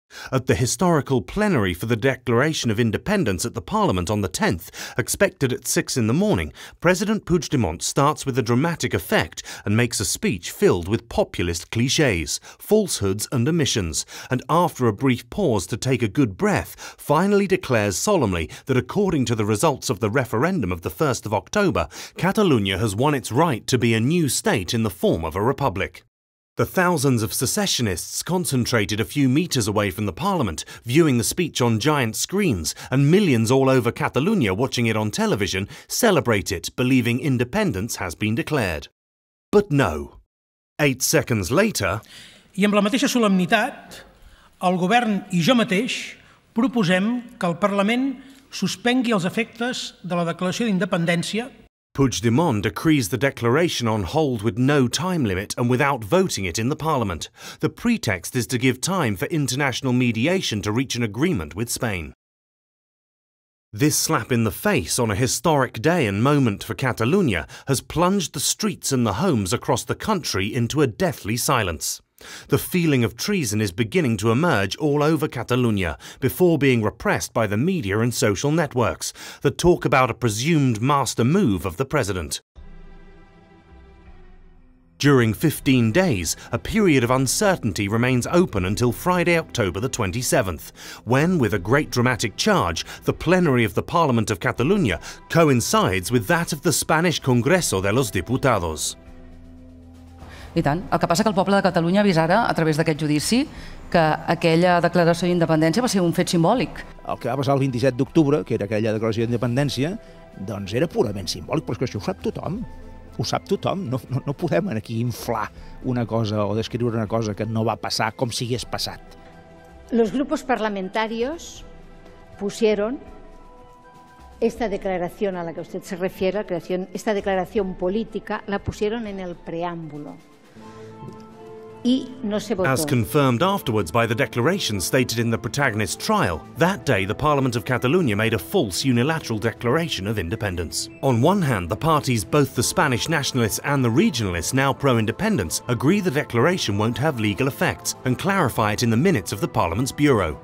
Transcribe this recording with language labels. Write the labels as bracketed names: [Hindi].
[English] At the historical plenary for the Declaration of Independence at the Parliament on the 10th, expected at 6 in the morning, President Puigdemont starts with a dramatic effect and makes a speech filled with populist clichés, falsehoods and omissions, and after a brief pause to take a good breath, finally declares solemnly that according to the results of the referendum of the 1st of October, Catalunya has won its right to be a new state in the form of a republic. The thousands of secessionists concentrated a few meters away from the Parliament, viewing the speech on giant screens, and millions all over Catalunya watching it on television, celebrate it, believing independence has been declared. But no. 8 seconds later... [Catalan] I amb la mateixa solemnitat, el govern i jo mateix proposem que el Parlament suspengui els efectes de la declaració d'independència. [English] Puigdemont decrees the declaration on hold with no time limit and without voting it in the Parliament. The pretext is to give time for international mediation to reach an agreement with Spain. This slap in the face on a historic day and moment for Catalunya has plunged the streets and the homes across the country into a deathly silence. The feeling of treason is beginning to emerge all over Catalunya, before being repressed by the media and social networks, that talk about a presumed master move of the president. During 15 days, a period of uncertainty remains open until Friday, October the 27th, when, with a great dramatic charge, the plenary of the Parliament of Catalunya coincides with that of the Spanish Congreso de los Diputados. [Catalan] I tant. El que passa que el poble de Catalunya ha vist ara, a través d'aquest judici, que aquella declaració d'independència va ser un fet simbòlic. El que va passar el 27 d'octubre, que era aquella declaració d'independència, doncs era purament simbòlic, però és que això ho sap tothom. Ho sap tothom. No podem aquí inflar una cosa o descriure una cosa que no va passar com si hagués passat. [Spanish] Los grupos parlamentarios pusieron esta declaración a la que usted se refiere, esta declaración política, la pusieron en el preámbulo. [English] As confirmed afterwards by the declaration stated in the protagonist's trial, that day the Parliament of Catalunya made a false unilateral declaration of independence. On one hand, the parties, both the Spanish nationalists and the regionalists, now pro-independence, agree the declaration won't have legal effects and clarify it in the minutes of the Parliament's bureau.